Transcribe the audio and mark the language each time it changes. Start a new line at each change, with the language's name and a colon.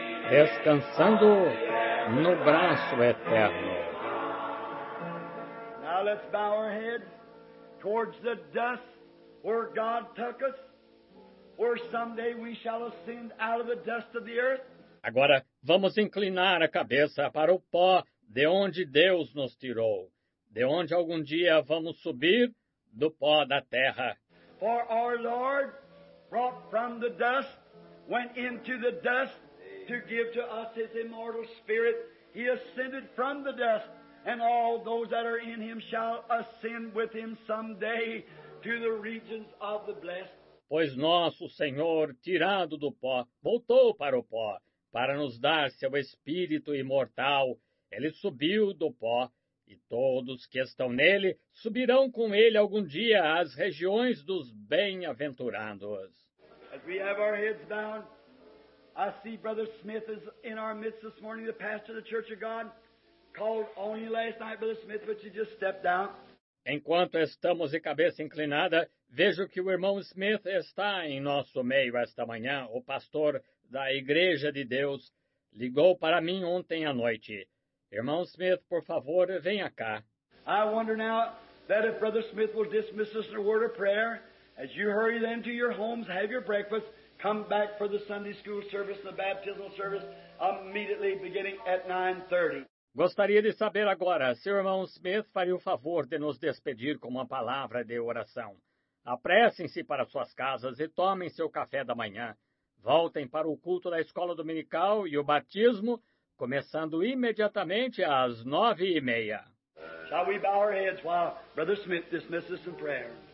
Portuguese: Descansando no braço eterno.
English: Now let's bow our heads towards the dust where God took us, where someday we shall ascend out of the dust of the earth.
Portuguese: Agora vamos inclinar a cabeça para o pó de onde Deus nos tirou, de onde algum dia vamos subir do pó da terra.
English: For our Lord brought from the dust, went into the dust to give to us his immortal spirit. He ascended from the dust, and all those that are in him shall ascend with him someday to the regions of the blessed.
Portuguese: Pois nosso Senhor, tirado do pó, voltou para o pó, para nos dar seu espírito imortal. Ele subiu do pó, e todos que estão nele subirão com ele algum dia às regiões dos bem-aventurados.
English: As we have our heads bound, I see Brother Smith is in our midst this morning, the pastor of the Church of God. Called only last night, Brother Smith, but you just stepped out.
Portuguese: Enquanto estamos de cabeça inclinada, vejo que o irmão Smith está em nosso meio esta manhã. O pastor da Igreja de Deus ligou para mim ontem à noite. Irmão Smith, por favor, venha cá.
English: I wonder now that if Brother Smith will dismiss us in a word of prayer, as you hurry then to your homes, have your breakfast, come back for the Sunday school service and the baptismal service immediately beginning at 9:30.
Portuguese: Gostaria de saber agora se o irmão Smith faria o favor de nos despedir com uma palavra de oração. Apressem-se para suas casas e tomem seu café da manhã. Voltem para o culto da escola dominical e o batismo, começando imediatamente às 9:30.
English: Shall we bow our heads while Brother Smith dismisses in prayer?